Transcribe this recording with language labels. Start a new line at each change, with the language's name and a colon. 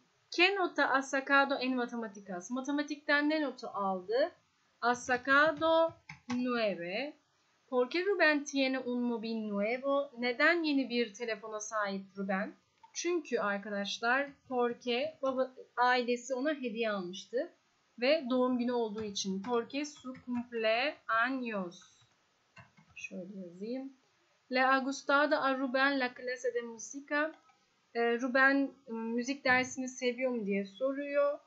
Spanish: ¿Qué nota ha sacado en matemáticas?
Turkish: Matematikten ne notu aldı?
Spanish: Ha sacado nueve. ¿Por qué Rubén tiene un móvil nuevo?
Turkish: Neden yeni bir telefona sahip Rubén? Çünkü arkadaşlar, porque baba, ailesi ona hediye almıştı ve doğum günü olduğu için.
Spanish: Porque su cumpleaños.
Turkish: Şöyle yazayım.
Spanish: Le ha gustado a Rubén la clase de música.
Turkish: Rubén müzik dersini seviyor mu diye soruyor.